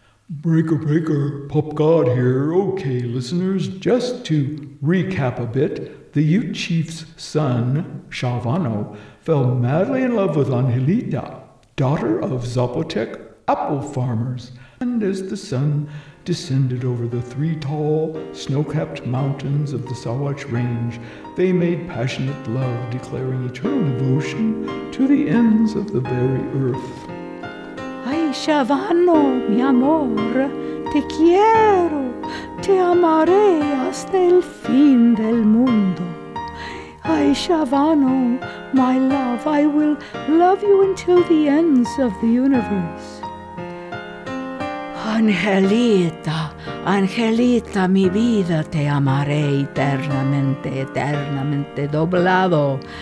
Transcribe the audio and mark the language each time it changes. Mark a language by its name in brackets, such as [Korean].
[English] Breaker, breaker, Pop God here. Okay, listeners, just to recap a bit, the Ute chief's son, Shavano, fell madly in love with Angelita, daughter of Zapotec apple farmers. And as the sun descended over the three tall, snow-capped mountains of the Sawatch Range, they made passionate love, declaring eternal devotion to the ends of the very earth. [Spanish] Ay, Shavano, mi amor, te quiero, te amaré hasta el fin del mundo. [English] Ay, Shavano, my love, I will love you until the ends of the universe. [Spanish] Angelita, Angelita, mi vida, te amaré eternamente, eternamente doblado.